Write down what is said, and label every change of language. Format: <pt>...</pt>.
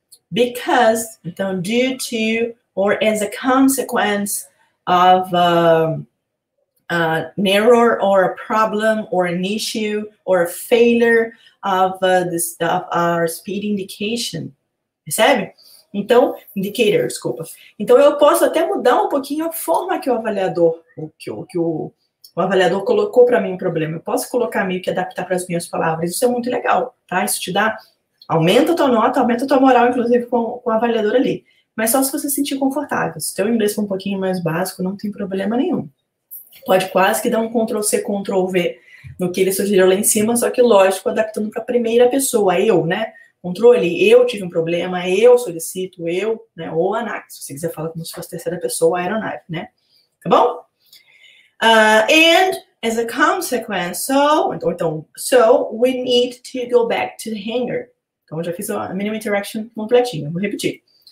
<en>Because,</en> <pt>então,</pt> <en>due to, or as a consequence of an error or a problem or an issue or a failure of this of our speed indication.</en> <pt>Percebe? Então, indicator, desculpa. Então, eu posso até mudar um pouquinho a forma que o avaliador, o avaliador colocou para mim o problema. Eu posso colocar meio que adaptar para as minhas palavras. Isso é muito legal, tá? Isso te dá, aumenta a tua nota, aumenta a tua moral, inclusive, com o avaliador ali. Mas só se você se sentir confortável. Se teu inglês for um pouquinho mais básico, não tem problema nenhum. Pode quase que dar um Ctrl-C, Ctrl-V no que ele sugeriu lá em cima, só que, lógico, adaptando para a primeira pessoa, eu, né? Controle, eu tive um problema, eu solicito, eu, né? Ou ANAC, se você quiser falar como se fosse terceira pessoa, aeronave, né? Tá bom?</pt> <en>And as a consequence, so we need to go back to the hangar.</en> <pt>Então, eu já fiz a minimum interaction completinha, vou repetir.</pt>